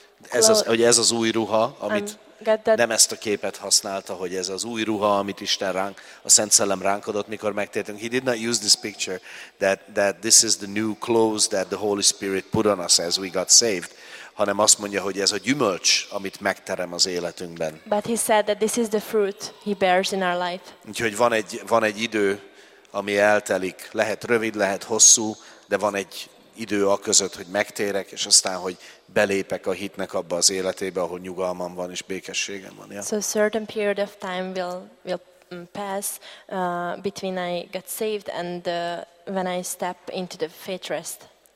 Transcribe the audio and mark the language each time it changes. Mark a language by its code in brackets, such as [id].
[hu] ez az új ruha, amit nem ezt a képet használta, hogy ez az új ruha, amit Isten ránk, a Szent Szellem ránk adott, mikor megtértünk. [en] He did not use this picture that this is the new clothes that the Holy Spirit put on us as we got saved, [hu] hanem azt mondja, hogy ez a gyümölcs, amit megterem az életünkben. [en] But he said that this is the fruit he bears in our life. [hu] Úgyhogy van egy idő, ami eltelik, lehet rövid, lehet hosszú, de van egy idő a között, hogy megtérek, és aztán, hogy belépek a hitnek abba az életébe, ahol nyugalmam van és békességem van. Ja? [en] So a certain period of time will pass between I got saved and when I step into the faith rest.